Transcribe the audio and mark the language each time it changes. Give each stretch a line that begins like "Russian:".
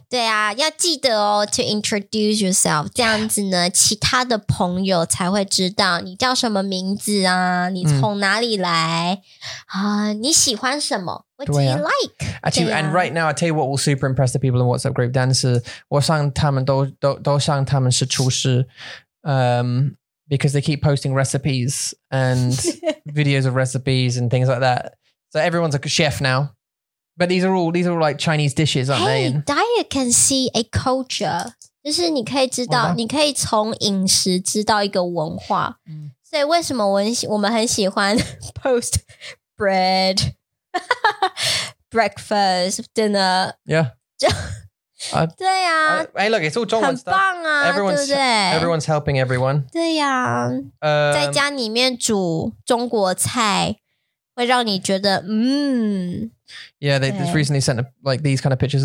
Chinese: 对啊，要记得哦 ，
English: to introduce yourself.
Chinese: 这样子呢，其他的朋友才会知道你叫什么名字啊，你从哪里来啊，你喜欢什么 ？
English: What do you like? Actually, and right now, I tell you what will super impress the people in WhatsApp group.
Chinese: 但是我想他们都想他们是厨师。
English: Because they keep posting recipes and videos of recipes and things like that. So everyone's like a chef now. But these are all like Chinese dishes, aren't hey, they? Diet can see a culture.
Chinese: 就是你可以知道，你可以从饮食知道一个文化。所以为什么我们很喜欢
English: post bread, breakfast, dinner. Yeah.
Chinese: 对呀、啊、
English: Hey, look, it's all 中文 stuff.
Chinese: 很棒啊
English: everyone's,
Chinese: 对不对
English: Everyone's helping everyone.
Chinese: 对呀、啊 在家里面煮中国菜会让你觉得
English: Yeah, they just recently sent like these kind of pictures.